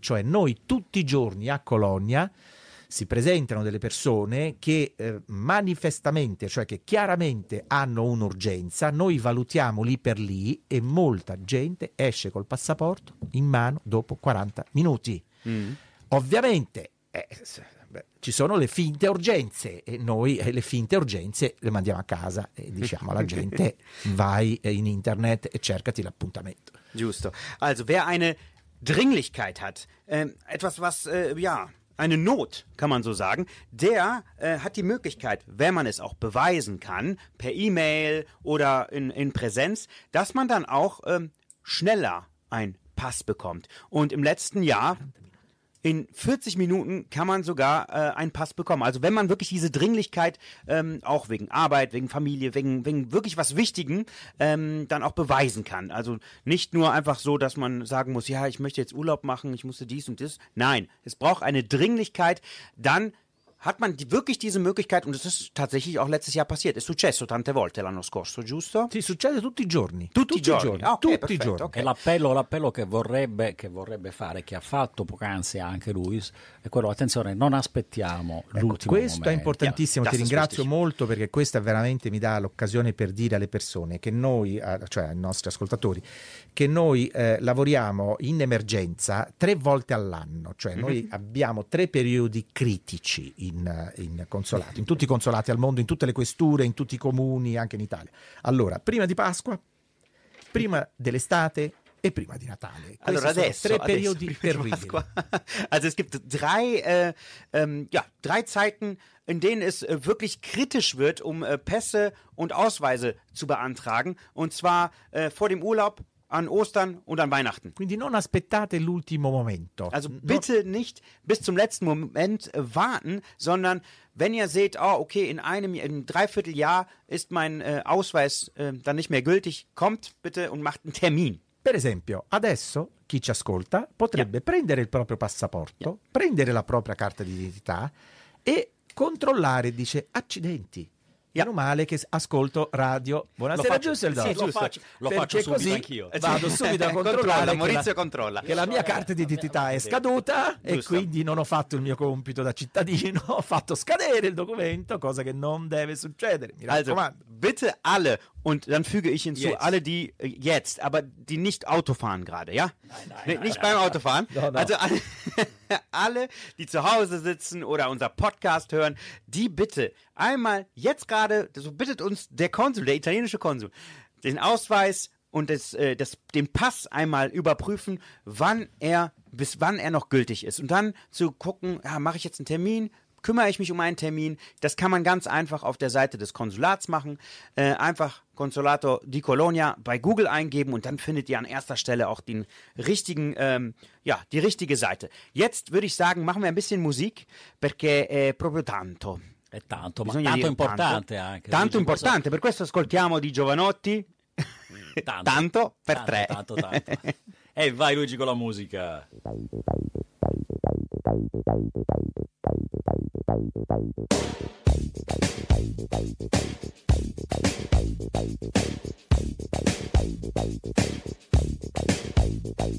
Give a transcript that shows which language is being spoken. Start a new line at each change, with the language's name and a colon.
Italian: Cioè noi tutti i giorni a Colonia si presentano delle persone che manifestamente, cioè che chiaramente hanno un'urgenza, noi valutiamo lì per lì e molta gente esce col passaporto in mano dopo 40 minuti. Ovviamente ci sono le finte urgenze e noi le finte urgenze le mandiamo a casa e diciamo alla gente vai in internet e cercati l'appuntamento. Giusto.
German: Also, wer eine Dringlichkeit hat, etwas was, eine Not, kann man so sagen, der hat die Möglichkeit, wenn man es auch beweisen kann, per E-Mail oder in Präsenz, dass man dann auch schneller einen Pass bekommt. Und im letzten Jahr, in 40 Minuten kann man sogar einen Pass bekommen. Also wenn man wirklich diese Dringlichkeit auch wegen Arbeit, wegen Familie, wegen wirklich was Wichtigen dann auch beweisen kann. Also nicht nur einfach so, dass man sagen muss, ja, ich möchte jetzt Urlaub machen, ich musste dies und das. Nein, es braucht eine Dringlichkeit, dann hat man wirklich diese Möglichkeit und es ist tatsächlich auch letztes Jahr passiert.
Italian: Es successo tante volte l'anno scorso, giusto? Sì, succede tutti i giorni. Tutti i giorni. Okay, tutti perfetto, i giorni. Okay. E l'appello che vorrebbe fare, che ha fatto poc'anzi anche lui, è quello, attenzione, non aspettiamo l'ultimo momento. Questo è importantissimo, ti ringrazio molto perché questa veramente mi dà l'occasione per dire alle persone che noi, cioè ai nostri ascoltatori, che noi lavoriamo in emergenza tre volte all'anno, cioè noi abbiamo tre periodi critici in consolato, in tutti i consolati al mondo, in tutte le questure, in tutti i comuni, anche in Italia. Allora, prima di Pasqua, prima dell'estate e prima di Natale. Questi allora adesso sono tre periodi adesso, prima terribili. Di Pasqua.
German: Also es gibt drei drei Zeiten, in denen es wirklich kritisch wird, um Pässe und Ausweise zu beantragen, und zwar vor dem Urlaub, an Ostern und an Weihnachten.
Italian: Quindi non aspettate l'ultimo momento.
German: Also bitte nicht bis zum letzten Moment warten, sondern wenn ihr seht, oh okay, in einem, in dreiviertel Jahr ist mein Ausweis dann nicht mehr gültig, kommt bitte und macht einen Termin.
Italian: Per esempio, adesso chi ci ascolta potrebbe prendere il proprio passaporto, prendere la propria carta d'identità e controllare, dice, accidenti. Meno male che ascolto radio. Buonasera Giuseppe. Sì, giusto. Lo faccio perché subito così anch'io. Vado subito a controllare. Maurizio controlla. Che la mia carta d'identità è scaduta e quindi non ho fatto il mio compito da cittadino. Ho fatto scadere il documento, cosa che non deve succedere. Mi raccomando.
German: Also, bitte alle, und dann füge ich hinzu, jetzt. Alle die jetzt, aber die nicht Auto fahren gerade, ja? Nein, nicht beim Auto fahren.
Italian: No.
German: Also alle, die zu Hause sitzen oder unser Podcast hören, die bitte einmal jetzt gerade, so bittet uns der Konsul, der italienische Konsul, den Ausweis und den Pass einmal überprüfen, bis wann er noch gültig ist. Und dann zu gucken, ja, mache ich jetzt einen Termin, kümmere ich mich um einen Termin? Das kann man ganz einfach auf der Seite des Konsulats machen. Einfach Consolato di Colonia bei Google eingeben und dann findet ihr an erster Stelle auch den richtigen, die richtige Seite. Jetzt würde ich sagen, machen wir ein bisschen Musik,
Italian: perché è proprio tanto. È tanto, bisogna, ma tanto importante tanto, anche. Tanto importante, per questo ascoltiamo di Jovanotti, tanto, tanto per tanto, tre. Tanto, tanto. E vai Luigi con la musica. Tight,